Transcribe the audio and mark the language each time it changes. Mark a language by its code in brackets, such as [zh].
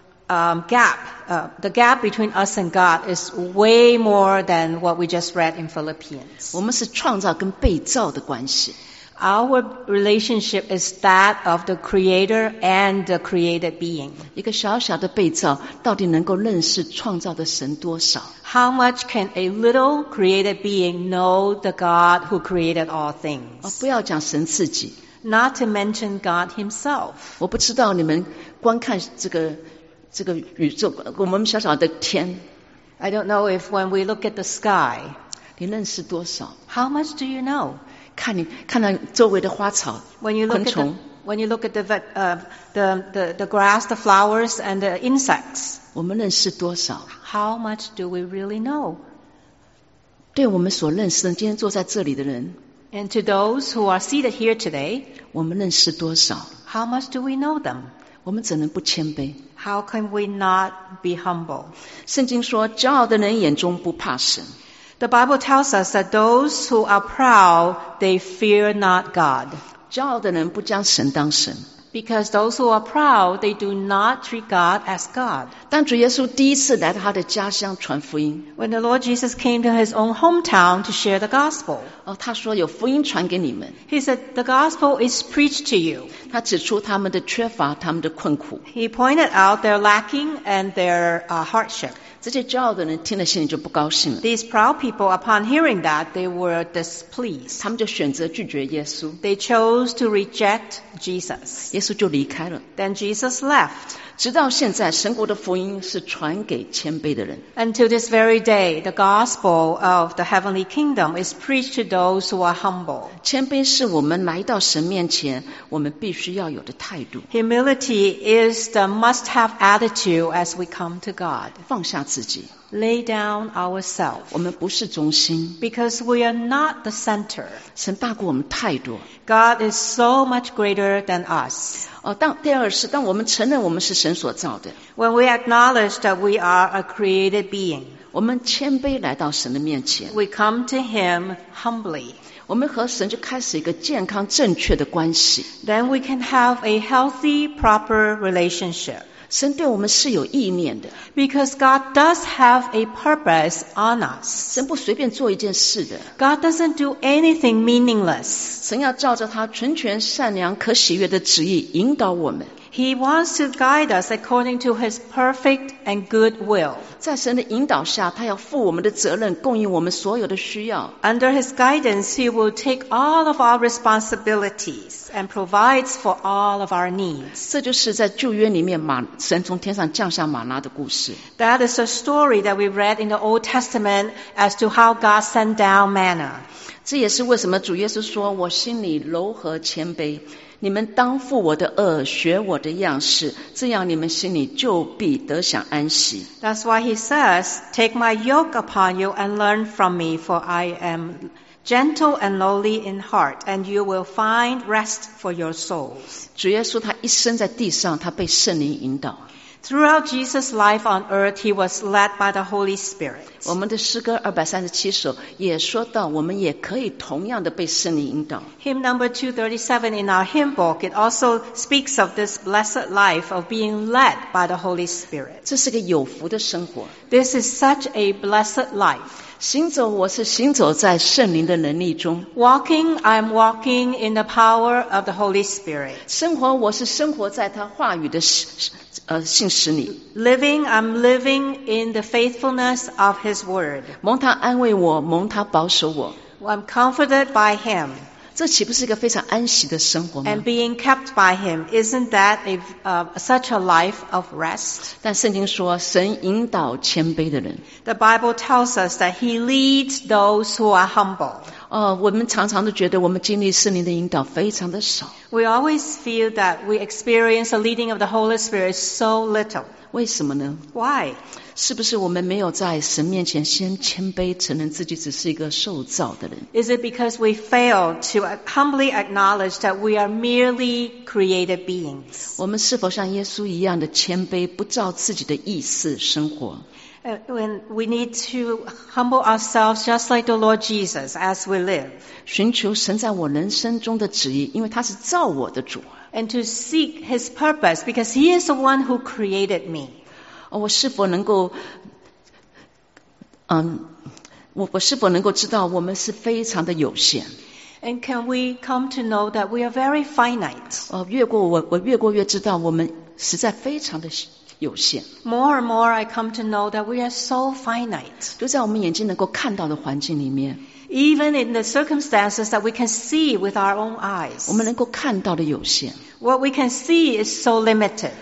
[en] The gap between us and God is way more than what we just read in Philippians. [zh] 我们是创造跟被造的关系。 [en] Our relationship is that of the creator and the created being. [zh] 一个小小的被造到底能够认识创造的神多少？ [en] How much can a little created being know the God who created all things? [zh] 不要讲神自己。 [en] Not to mention God himself. [zh] 我不知道你们观看这个宇宙，我们小小的天。 [en] I don't know if when we look at the sky, [zh] 你认识多少？ [en] How much do you know? [zh] 看到周围的花草昆虫 [en] when you look at the grass, the flowers, and the insects, [zh] 我们认识多少？ [en] How much do we really know? [zh] 对我们所认识的今天坐在这里的人 [en] And to those who are seated here today, [zh] 我们认识多少？ [en] How much do we know them? [zh] 我们怎能不谦卑？ [en] How can we not be humble? [zh] 圣经说骄傲的人眼中不怕神。 [en] The Bible tells us that those who are proud, they fear not God. [zh] 骄傲的人不将神当神。 [en] Because those who are proud, they do not treat God as God. [zh] 当主耶稣第一次来到他的家乡传福音。 [en] When the Lord Jesus came to his own hometown to share the gospel. [zh] 他说有福音传给你们。 [en] He said, the gospel is preached to you. [zh] 他指出他们的缺乏，他们的困苦。 [en] He pointed out their lacking and their hardship. [zh] 这些骄傲的人听了心里就不高兴了。 [en] These proud people, upon hearing that, they were displeased. [zh] 他们就选择拒绝耶稣。 [en] They chose to reject Jesus. [zh] 耶稣就离开了。 [en] Then Jesus left. [zh] 直到现在，神国的福音是传给谦卑的人。 [en] Until this very day, the gospel of the heavenly kingdom is preached to those who are humble. [zh] 谦卑是我们来到神面前，我们必须要有的态度。 [en] Humility is the must-have attitude as we come to God. [zh] 放下自己。 [en] Lay down ourselves. [zh] 我们不是中心。 [en] Because we are not the center. [zh] 神大过我们太多。 [en] God is so much greater than us. [zh] 第二是当我们承认我们是神所造的。 [en] When we acknowledge that we are a created being. [zh] 我们谦卑来到神的面前。 [en] We come to him humbly. [zh] 我们和神就开始一个健康正确的关系。 [en] Then we can have a healthy, proper relationship. [zh] 神对我们是有意念的。 [en] Because God does have a purpose on us. [zh] 神不随便做一件事的。 [en] God doesn't do anything meaningless. [zh] 神要照着他纯全善良可喜悦的旨意引导我们。 [en] He wants to guide us according to his perfect and good will. [zh] 在神的引导下他要负我们的责任供应我们所有的需要。 [en] Under his guidance, he will take all of our responsibilities and provides for all of our needs. [zh] 这就是在旧约里面神从天上降下玛拉的故事。 [en] That is a story that we read in the Old Testament as to how God sent down manna. [zh] 这也是为什么主耶稣说我心里柔和谦卑。你们当负我的轭，学我的样式，这样你们心里就必得享安息。 [en] That's why he says, take my yoke upon you and learn from me, for I am gentle and lowly in heart, and you will find rest for your souls. [zh] 主耶稣他一生在地上，他被圣灵引导。 [en] Throughout Jesus' life on earth, he was led by the Holy Spirit. [zh] 我们的诗歌237首也说到我们也可以同样的被圣灵引导。 [en] Hymn number 237 in our hymn book, it also speaks of this blessed life of being led by the Holy Spirit. [zh] 这是个有福的生活。 [en] This is such a blessed life. [zh] 行走我是行走在圣灵的能力中。 [en] Walking, I'm walking in the power of the Holy Spirit. [zh] 生活我是生活在他话语的信实里。 [en] Living, I'm living in the faithfulness of his word. [zh] 蒙他安慰我，蒙他保守我。 [en] I'm comforted by him. [zh] 这岂不是一个非常安息的生活吗？ [en] And being kept by him, isn't that such a life of rest? [zh] 但圣经说神引导谦卑的人。 [en] The Bible tells us that he leads those who are humble. [zh] 我们常常都觉得我们经历圣灵的引导非常的少。 [en] We always feel that we experience the leading of the Holy Spirit so little. [zh] 为什么呢 [en] ？Why？ [zh] 是不是我们没有在神面前先谦卑，承认自己只是一个受造的人 [en] ？Is it because we fail to humbly acknowledge that we are merely created beings？ [zh] 我们是否像耶稣一样的谦卑，不照自己的意思生活？ [en] When we need to humble ourselves just like the Lord Jesus as we live. [zh] 寻求神在我人生中的旨意，因为他是造我的主。 [en] And to seek his purpose because he is the one who created me. [zh] 我是否能够我是否能够知道我们是非常的有限。 [en] And can we come to know that we are very finite? [zh] 我越过越知道我们实在非常的有限。 [en] More and more, I come to know that we are so finite. [zh] 就在我们眼睛能够看到的环境里面。 [en] Even in the circumstances that we can see with our own eyes. [zh] 我们能够看到的有限。 [en] What we can see is so limited.